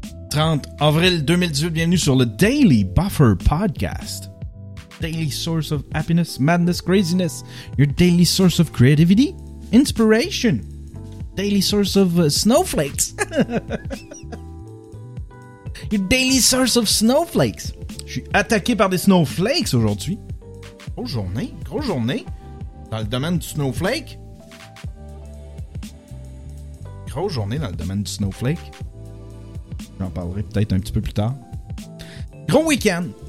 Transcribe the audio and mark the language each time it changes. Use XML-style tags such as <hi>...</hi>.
<fr>30 avril 2018, bienvenue sur le Daily Buffer Podcast.</fr> <en>Daily source of happiness, madness, craziness. Your daily source of creativity, inspiration. Daily source of snowflakes. Your daily source of snowflakes.</en> <fr>Je suis attaqué par des snowflakes aujourd'hui. Grosse journée. Dans le domaine du snowflake. Grosse journée dans le domaine du snowflake. J'en parlerai peut-être un petit peu plus tard. Gros week-end.</fr>